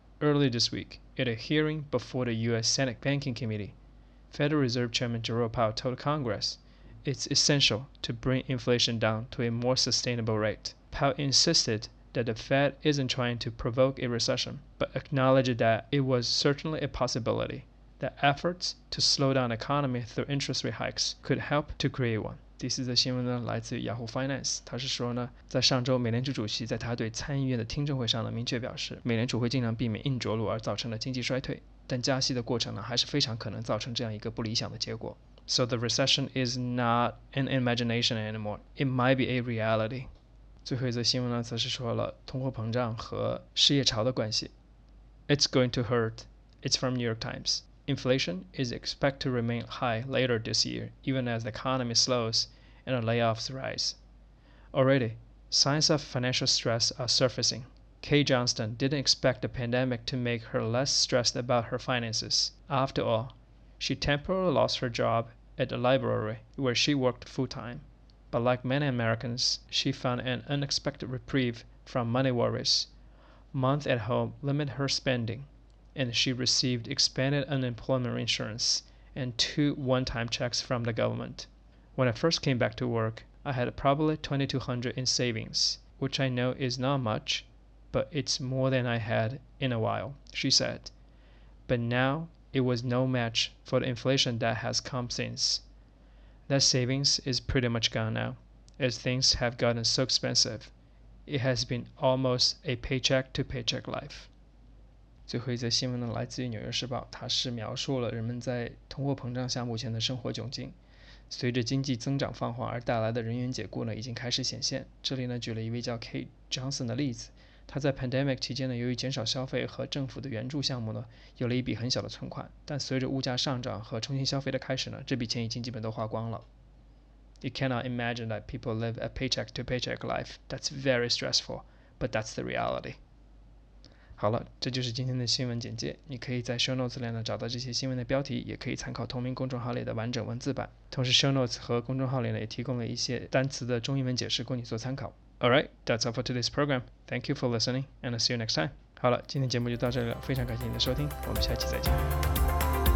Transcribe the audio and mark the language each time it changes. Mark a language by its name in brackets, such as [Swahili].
[English] Early this week, at a hearing before the U.S. Senate Banking Committee, Federal Reserve Chairman Jerome Powell told Congress it's essential to bring inflation down to a more sustainable rate. Powell insisted that the Fed isn't trying to provoke a recession, but acknowledged that it was certainly a possibility. The efforts to slow down the economy through interest rate hikes could help to create one. [Chinese] 第四则新闻呢，来自于 Yahoo Finance， 它是说呢，在上周，美联储主席在他对参议院的听证会上呢，明确表示，美联储会尽量避免硬着陆而造成的经济衰退，但加息的过程呢，还是非常可能造成这样一个不理想的结果。 [English] So the recession is not an imagination anymore. It might be a reality. [Chinese] 最后一则新闻呢，则是说了通货膨胀和失业潮的关系。 [English] It's going to hurt. It's from New York Times. Inflation is expected to remain high later this year, even as the economy slows and layoffs rise. Already, signs of financial stress are surfacing, Kay Johnston didn't expect the pandemic to make her less stressed about her finances. After all, she temporarily lost her job at the library where she worked full-time. But like many Americans, she found an unexpected reprieve from money worries. Months at home limited her spending, and she received expanded unemployment insurance and 2 one-time checks from the government. When I first came back to work, I had probably $2,200 in savings, which I know is not much, but it's more than I had in a while, she said. But now it was no match for the inflation that has come since. That savings is pretty much gone now, as things have gotten so expensive. It has been almost a paycheck to paycheck life. [Chinese] 最后一则新闻呢，来自于《纽约时报》，它是描述了人们在通货膨胀下目前的生活窘境。随着经济增长放缓而带来的人员解雇呢，已经开始显现。这里呢，举了一位叫 Kate Johnson 的例子。他在 pandemic 期间呢，由于减少消费和政府的援助项目呢，有了一笔很小的存款。但随着物价上涨和重新消费的开始呢，这笔钱已经基本都花光了。 [English] You cannot imagine that people live a paycheck to paycheck life. That's very stressful, but that's the reality. [Chinese] 好了，这就是今天的新闻简介。你可以在 show notes 里呢找到这些新闻的标题，也可以参考同名公众号里的完整文字版。同时 show notes 和公众号里呢也提供了一些单词的中英文解释供你做参考。 [English] Alright, that's all for today's program. Thank you for listening, and I'll see you next time. [Chinese] 好了，今天节目就到这里了，非常感谢你的收听，我们下期再见。